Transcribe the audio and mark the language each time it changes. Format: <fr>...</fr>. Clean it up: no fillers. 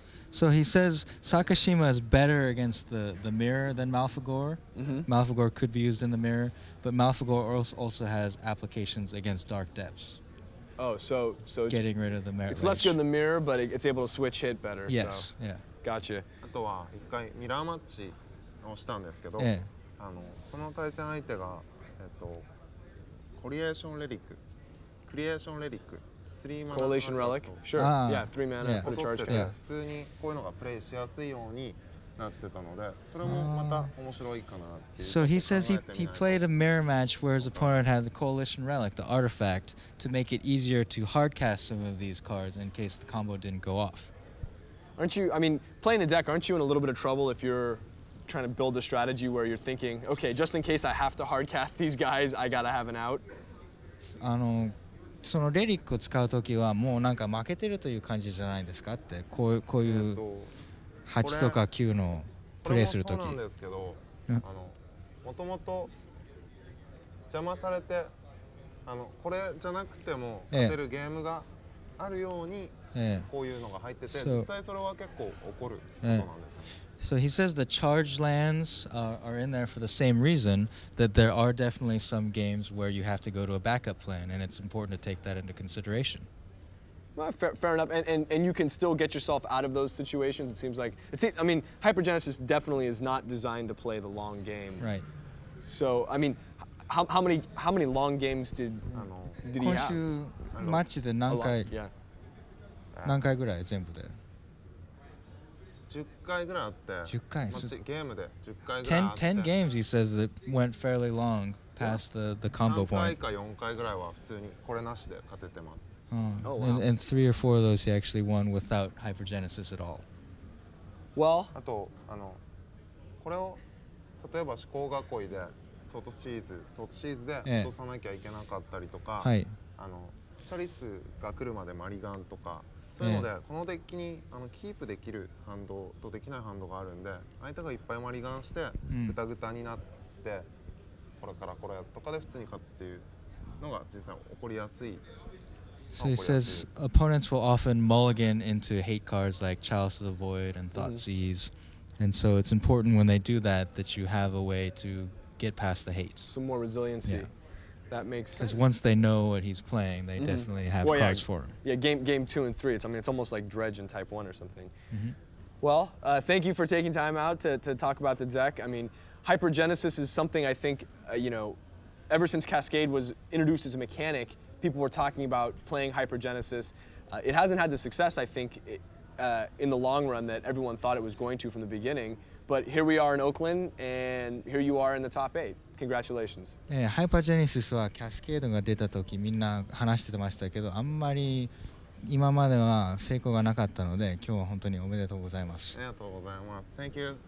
<en>So he says Sakashima is better against the mirror than Malfagor. Mm-hmm. Malfagor could be used in the mirror, but Malfagor also has applications against Dark Depths. Oh, so getting rid of the mirror. It's less good in the mirror, but it's able to switch hit better. Yes, so. Yeah. Gotcha.</en> <ja>あとは一回ミラーマッチをしたんですけど、その対戦相手がコリエーションレリック、クリエーションレリック、スリーマナ。</ja> <en>Correlation Relic. Sure. Yeah, three mana. Yeah. The charge. Yeah.</en> <ja>普通にこういうのがプレイしやすいようになってたので、それもまた面白いかなっていう。</ja> <en>So he says he played a mirror match where his opponent had the Coalition Relic, the artifact, to make it easier to hard cast some of these cards in case the combo didn't go off. Aren't you, I mean, playing the deck, aren't you in a little bit of trouble if you're trying to build a strategy where you're thinking, okay, just in case I have to hard cast these guys, I gotta have an out?</en> <ja>そのレリックを使うときはもうなんか負けてるという感じじゃないですかって、こういう8とか9のプレイするとき。これもそうなんですけど、もともと邪魔されて、これじゃなくても勝てるゲームがあるように、こういうのが入ってて、実際それは結構起こることなんですね。</ja> <en>So he says the charged lands are in there for the same reason, that there are definitely some games where you have to go to a backup plan, and it's important to take that into consideration. Well, fair enough, and you can still get yourself out of those situations. It seems like Hypergenesis definitely is not designed to play the long game. Right. So I mean, how many long games did he have?</en> <ja>今週マッチで何回？</ja> <en>Yeah.</en> <ja>何回ぐらい全部で？ 10回ぐらいあって。マッチゲームで10回ぐらいあって。</ja> <en>Ten games, he says, that went fairly long past the combo point.</en> <ja>3回か4回ぐらいは普通にこれなしで勝ててます。</ja> <en>Oh, wow. And three or four of those he actually won without Hypergenesis at all. Well,</en> <ja>あとこれを例えば思考囲いでソートシーズで落とさなきゃいけなかったりとか、チャリスが来るまでマリガンとかそういうのでこのデッキにキープできるハンドとできないハンドがあるんで相手がいっぱいマリガンしてぐたぐたになってこれからこれとかで普通に勝つっていうのが実際起こりやすい。</ja> <en>So he says opponents will often mulligan into hate cards like Chalice of the Void and Thoughtseize. And so it's important when they do that you have a way to get past the hate. Some more resiliency. Yeah. That makes sense. Because once they know what he's playing, they definitely have cards for him. Yeah, game two and three. It's, I mean, it's almost like Dredge in type one or something. Mm-hmm. Well, thank you for taking time out to talk about the deck. I mean, hypergenesis is something I think, you know, ever since Cascade was introduced as a mechanic, people were talking about playing hypergenesis. It hasn't had the success, I think, in the long run that everyone thought it was going to from the beginning. But here we are in Oakland, and here you are in the top eight. Congratulations.</en> <ja>Hypergenesis は Cascade が出た時みんな話してましたけど、あんまり今までは成功がなかったので、今日は本当におめでとうございます。ありがとうございます。</ja> <en>Thank you.</en>